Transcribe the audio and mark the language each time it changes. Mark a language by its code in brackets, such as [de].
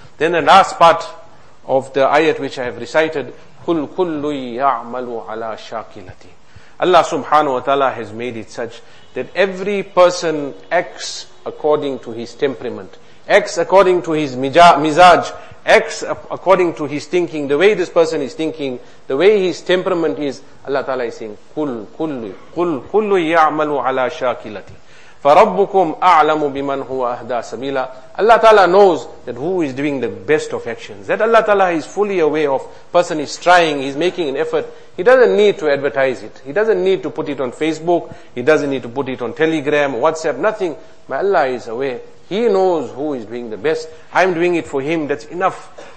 [en] Then the last part of the ayat which I have recited, [ar] قُلْ كُلُّ يَعْمَلُ عَلَى شَاكِلَتِ. [en] Allah subhanahu wa ta'ala has made it such that every person acts according to his temperament, acts according to his mizaj, acts according to his thinking, the way this person is thinking, the way his temperament is. Allah ta'ala is saying, [ar] قُلْ كُلُّ يَعْمَلُ عَلَى شَاكِلَتِ. فَرَبُّكُمْ أَعْلَمُ بِمَنْ هُوَ أَهْدَى سَبِيلًا. [en] Allah Ta'ala knows that who is doing the best of actions. That Allah Ta'ala is fully aware of. Person is trying, he's making an effort. He doesn't need to advertise it. He doesn't need to put it on Facebook. He doesn't need to put it on Telegram, WhatsApp, nothing. But Allah is aware. He knows who is doing the best. I'm doing it for him. That's enough.